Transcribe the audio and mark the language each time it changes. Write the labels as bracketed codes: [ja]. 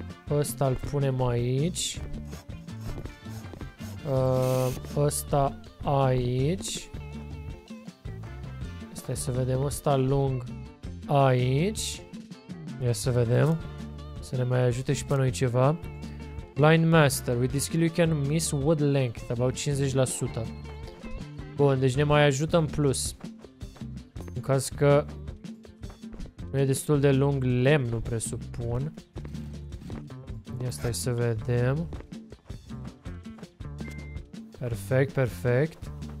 [ro] Ăsta-l punem aici. Ăsta aici. Stai să vedem, ăsta lung aici. Ia să vedem. Să ne mai ajute și pe noi ceva. [en] Blind Master, with this skill you can miss wood length, about 50%. [ro] Bun, deci ne mai ajută în plus. În caz că nu e destul de lung lemn, nu presupun. Ia stai să vedem. Perfect, perfect.